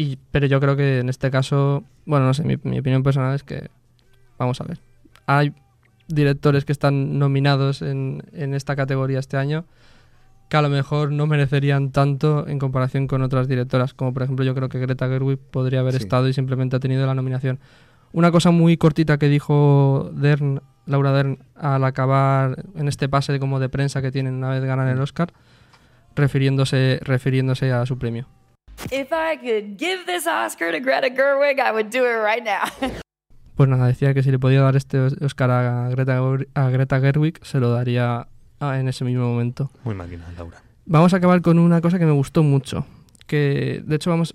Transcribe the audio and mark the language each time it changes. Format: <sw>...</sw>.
<es>Pero yo creo que en este caso, bueno, no sé, mi opinión personal es que, vamos a ver, hay directores que están nominados en esta categoría este año que a lo mejor no merecerían tanto en comparación con otras directoras, como por ejemplo yo creo que Greta Gerwig podría haber estado y simplemente ha tenido la nominación. Una cosa muy cortita que dijo Laura Dern, al acabar en este pase como de prensa que tienen una vez ganan el Oscar, refiriéndose a su premio.</es> <en>If I could give this Oscar to Greta Gerwig, I would do it right now.</en> <es>Pues nada, decía que si le podía dar este Oscar a Greta Gerwig, se lo daría en ese mismo momento. Muy máquina, Laura. Vamos a acabar con una cosa que me gustó mucho. Que, de hecho, vamos.</es>